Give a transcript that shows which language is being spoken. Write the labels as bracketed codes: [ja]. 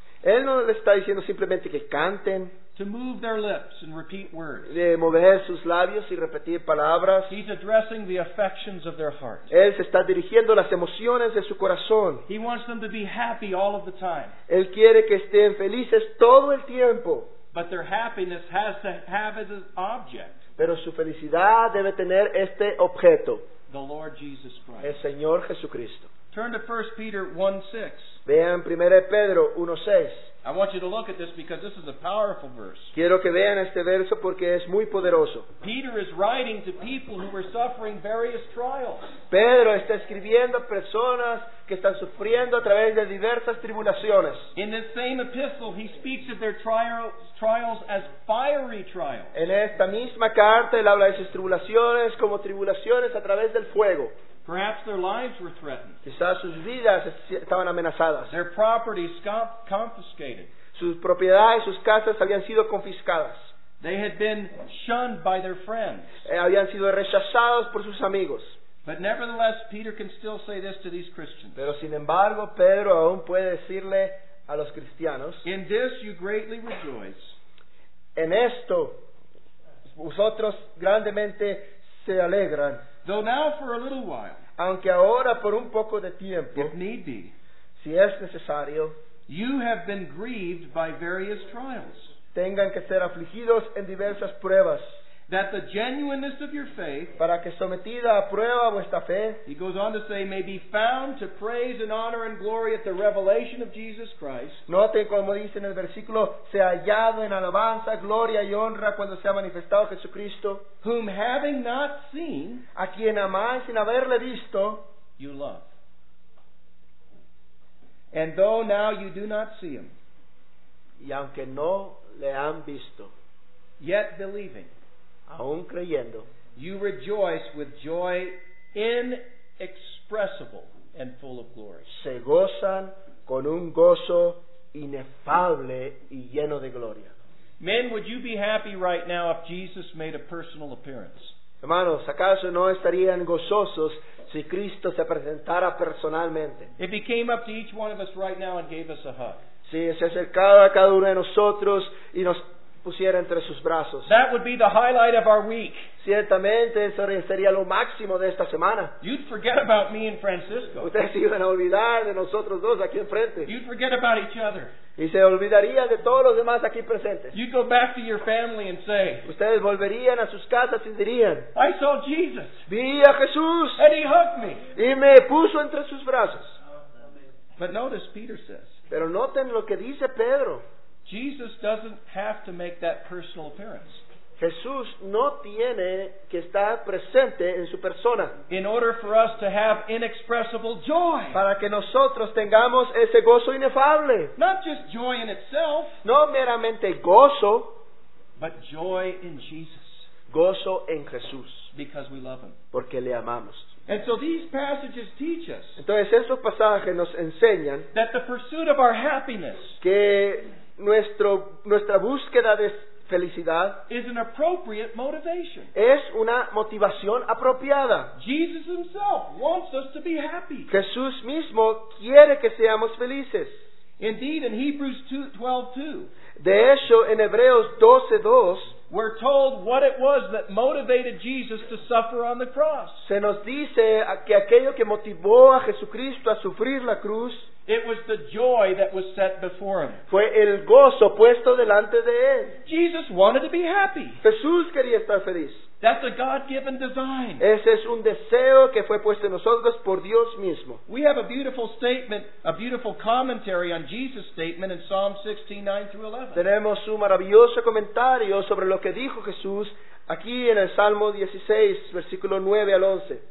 [es] Él no le está diciendo simplemente que canten. [en] To move their lips and repeat words. [es] De mover sus labios y repetir palabras. [en] He's addressing the affections of their heart. [es] Él se está dirigiendo las emociones de su corazón. [en] He wants them to be happy all of the time. [es] Él quiere que estén felices todo el tiempo. [en] But their happiness has to have as an object. [es] Pero su felicidad debe tener este objeto. [en] The Lord Jesus Christ. [es] El Señor Jesucristo. [en] Turn to 1 Peter 1:6. [es] Vean 1 Pedro 1:6. [en] I want you to look at this because this is a powerful verse. [es] Quiero que vean este verso porque es muy poderoso. [en] Peter is writing to people who were suffering various trials. [es] Pedro está escribiendo a personas que están sufriendo a través de diversas tribulaciones. [en] In this same epistle, he speaks of their trials as fiery trials. [es] En esta misma carta, él habla de sus tribulaciones como tribulaciones a través del fuego. [en] Perhaps their lives were threatened. [es] Quizás sus vidas estaban amenazadas. [en] Their properties confiscated. [es] Sus propiedades, sus casas habían sido confiscadas. [en] They had been shunned by their friends. [es] Habían sido rechazados por sus amigos. [en] But nevertheless, Peter can still say this to these Christians. [es] Pero sin embargo, Pedro aún puede decirle a los cristianos. [en] In this you greatly rejoice. [es] En esto, vosotros grandemente se alegran. [en] Though now for a little while, [es] aunque ahora por un poco de tiempo, [en] if need be, [es] si es necesario, [en] you have been grieved by various trials, [es] tengan que ser afligidos en diversas pruebas, [en] that the genuineness of your faith, [es] para que sometida a prueba vuestra fe, [en] he goes on to say, may be found to praise and honor and glory at the revelation of Jesus Christ. [es] Noten como dice en el versículo, se hallado en alabanza, gloria y honra cuando se ha manifestado Jesucristo. [en] Whom having not seen, [es] a quien amáis sin haberle visto, [en] you love. And though now you do not see him, [es] y aunque no le han visto, [en] yet believing, [es] aún creyendo, [en] you rejoice with joy inexpressible and full of glory. [es] Se gozan con un gozo inefable y lleno de gloria. [en] Men, would you be happy right now if Jesus made a personal appearance? [es] Hermanos, ¿acaso no estarían gozosos si Cristo se presentara personalmente? [en] If he came up to each one of us right now and gave us a hug. [es] Si se acercara a cada uno de nosotros y nos pusiera entre sus brazos. [en] That would be the highlight of our week. [es] Ciertamente eso sería lo máximo de esta semana. [en] You'd forget about me and Francisco. [es] Ustedes se iban a olvidar de nosotros dos aquí enfrente. [en] You'd forget about each other. [es] Y se olvidarían de todos los demás aquí presentes. [en] You'd go back to your family and say, [es] ustedes volverían a sus casas y dirían, [en] I saw Jesus. [es] Vi a Jesús. [en] And he hugged me. [es] Y me puso entre sus brazos. [en] But notice Peter says. [es] Pero noten lo que dice Pedro. [en] Jesus doesn't have to make that personal appearance. [es] Jesús no tiene que estar presente en su persona. [en] In order for us to have inexpressible joy. [es] Para que nosotros tengamos ese gozo inefable. [en] Not just joy in itself. [es] No meramente gozo. [en] But joy in Jesus. [es] Gozo en Jesús. [en] Because we love him. [es] Porque le amamos. [en] And so these passages teach us. [es] Entonces estos pasajes nos enseñan. [en] That the pursuit of our happiness. [es] Que nuestra búsqueda de felicidad [en] is an appropriate motivation. [es] Es una motivación apropiada. [en] Jesus himself wants us to be happy. [es] Jesús mismo quiere que seamos felices. [en] Indeed, in Hebrews 12:2, [es] de hecho, en Hebreos 12:2, [en] we're told what it was that motivated Jesus to suffer on the cross. [es] Se nos dice que aquello que motivó a Jesucristo a sufrir la cruz, [en] it was the joy that was set before him. [es] Fue el gozo puesto delante de él. [en] Jesus wanted to be happy. [es] Jesús quería estar feliz. [en] That's a God-given design. [es] Ese es un deseo que fue puesto en nosotros por Dios mismo. [en] We have a beautiful statement, a beautiful commentary on Jesus' statement in Psalm 16:9-11. [es] Tenemos un maravilloso comentario sobre lo que dijo Jesús aquí en el Salmo 16, versículo 9 al 11.